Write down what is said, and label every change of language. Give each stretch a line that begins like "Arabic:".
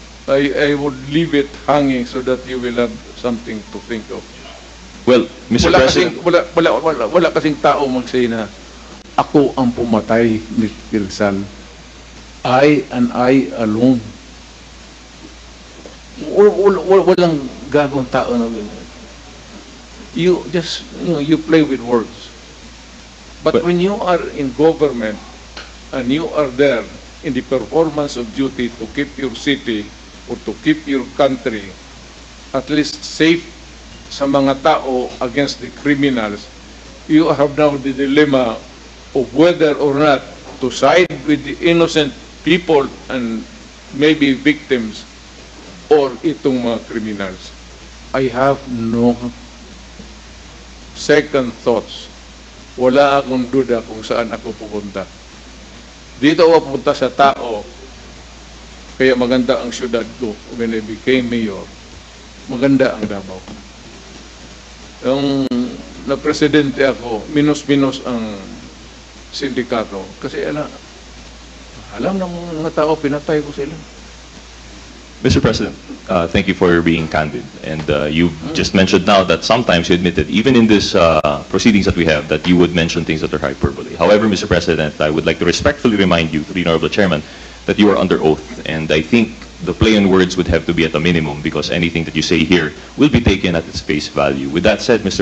English: I would leave it hanging so that you will have something to think of. Well, Mr.
Filipino: Wala
English: President,
Filipino: wala kasing tao magsay na ako ang pumatay ni Kilsan.
English: I and I alone.
Filipino: Walang gagawin tao na ganyan.
English: You play with words. But when you are in government, and you are there in the performance of duty to keep your city or to keep your country at least safe
Filipino: sa mga tao
English: against the criminals, you have now the dilemma of whether or not to side with the innocent people and maybe victims or itong mga criminals. I have no second thoughts.
Filipino: Wala akong duda kung saan ako pupunta. Dito ako pupunta sa tao, kaya maganda ang siyudad ko
English: when I became mayor.
Filipino: maganda ang Davao. Yung na-presidente ako, minus-minus ang sindikato. Kasi alam ng mga tao, pinatay ko sila.
English: Mr. President, thank you for being candid. And you just mentioned now that sometimes you admitted, even in this proceedings that we have, that you would mention things that are hyperbole. However, Mr. President, I would like to respectfully remind you, to the Honorable Chairman, that you are under oath. And I think the play on words would have to be at a minimum because anything that you say here will be taken at its face value. With that said, Mr.